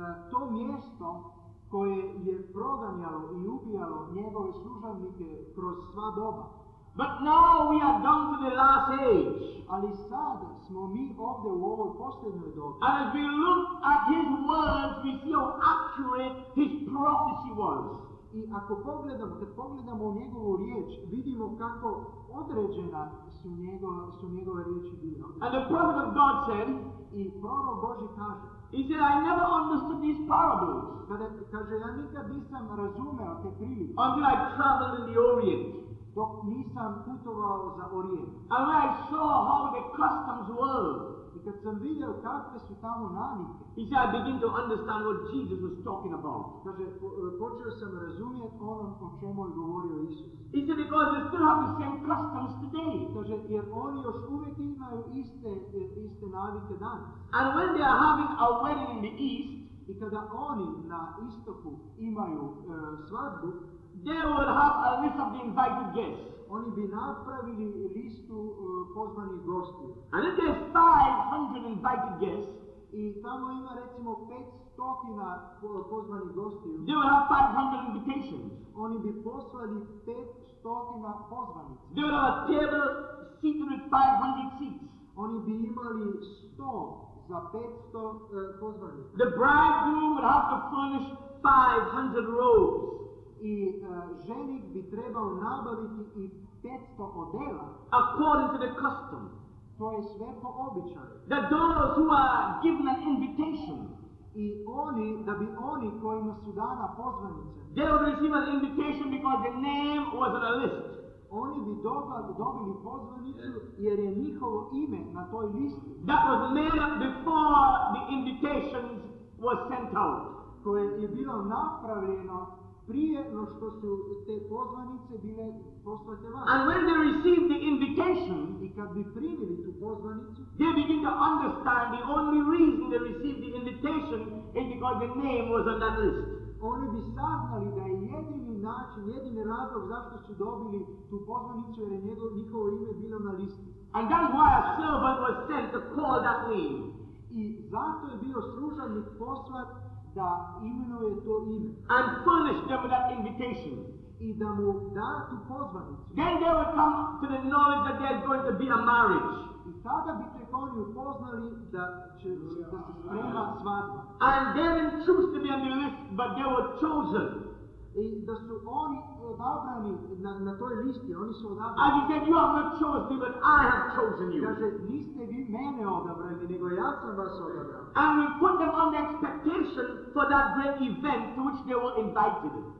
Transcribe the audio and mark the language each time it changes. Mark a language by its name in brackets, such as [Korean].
[Croatian] To mjesto koje je proganjalo i ubijalo njegove služavnike kroz sva doba. [English] But now we are down to the last age. [Croatian] Ali sad smo mi ovdje u ovoj posljednjoj dobi. [English] And as we look at his words, we see how accurate his prophecy was. [Croatian] I ako pogledamo, kad pogledamo njegovu riječ, vidimo kako određena su njegove riječi bile. [English] And the prophet of God said, [Croatian] i prorok Boži kaže, [English] he said, I never understood these parables. [Croatian] Kada kaže, ja nikad nisam razumeo te prilike. [English] Until I traveled in the Orient. [Croatian] Dok nisam putovao za Orijent. [English] And when I saw how the customs were, [Croatian] i kad sam vidio kakve su tamo navike, [English] he said, I begin to understand what Jesus was talking about. [Croatian] Kaže, počeo sam razumjeti ono o čemu je govorio Isus. [English] He said, because they still have the same customs today. [Croatian] Kaže, jer oni još uvijek imaju iste navike danas. [English] And when they are having a wedding in the east, [Croatian] i kada oni na istoku imaju svadbu, [English] they will have a list of the invited guests. [Croatian] Oni bi napravili listu pozvanih gostiju. [English] And if there's 500 invited guests, [Croatian] i tamo ima recimo 500 pozvanih gostiju, [English] they will have 500 invitations. [Croatian] Oni bi poslali 500 pozvanih. [English] They will have a table seated with 500 seats. [Croatian] Oni bi imali 100 za 500 pozvanih. [English] The bridegroom would have to furnish 500 robes. [Croatian] I ženik bi trebao nabaviti i 500 odela. [English] According to the custom. [Croatian] To je sve po običaju. [English] The daughters who are given an invitation. [Croatian] I oni, da bi oni kojima su dana pozvanice. [English] They will receive an invitation because the name was on a list. [Croatian] Oni bi dobili pozvanicu jer je njihovo ime na toj listi. [English] That was made up before the invitation was sent out. [Croatian] Koje je bilo napravljeno prije no što su te pozvanice bile poslate van. [English] And when they received the invitation, [Croatian] i kad bi primili tu pozvanicu, [English] they begin to understand the only reason they received the invitation is because the name was on that list. [Croatian] Oni bi saznali da je jedini način, jedini razlog zašto su dobili tu pozvanicu jer je njihovo ime bilo na listi. [English] And that's why a servant was sent to call that name. [Croatian] I zato je bio služanik poslat da imenuje to ime. [English] And furnish them with that invitation. [Croatian] I da mu da tu pozvanicu. [English] Then they would come to the knowledge that there is going to be a marriage. [Croatian] I tada bi te oni upoznali da će da se sprema svadba. [English] And they didn't choose to be on the list, but they were chosen. [Croatian] I da su oni odabrani na toj listi, oni su odabrani. [English] And he said, you have not chosen me, but I have chosen you. [Croatian] Kaže, niste vi mene odabrali, nego ja sam vas odabrao. [English] And we put them on the expectation for that great event to which they were invited.